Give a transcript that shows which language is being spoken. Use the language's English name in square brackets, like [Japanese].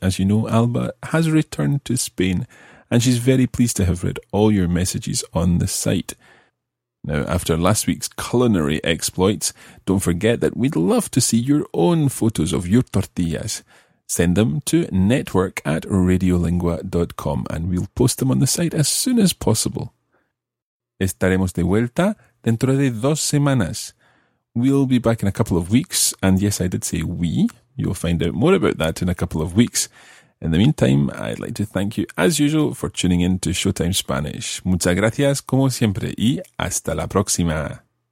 [English] As you know, Alba has returned to Spain, and she's very pleased to have read all your messages on the site. Now, after last week's culinary exploits, don't forget that we'd love to see your own photos of your tortillas. Send them to network@radiolingua.com and we'll post them on the site as soon as possible. [Spanish] Estaremos de vuelta dentro de 2 semanas. [English] We'll be back in a couple of weeks, and yes, I did say we. You'll find out more about that in a couple of weeks. In the meantime, I'd like to thank you, as usual, for tuning in to Showtime Spanish. [Spanish] Muchas gracias, como siempre, y hasta la próxima.